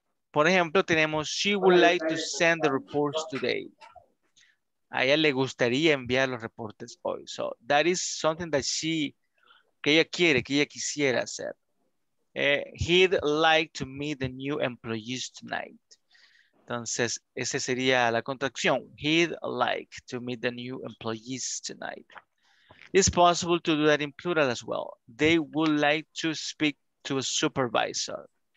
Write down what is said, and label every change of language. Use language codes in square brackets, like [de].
[es] Por ejemplo, tenemos [en] she would like to send the reports today. [es] A ella le gustaría enviar los reportes hoy. [en] So that is something that she, [es] que ella quiere, que ella quisiera hacer. [en] He'd like to meet the new employees tonight. [es] Entonces, esa sería la contracción. [en] He'd like to meet the new employees tonight. It's possible to do that in plural as well. They would like to speak to a supervisor.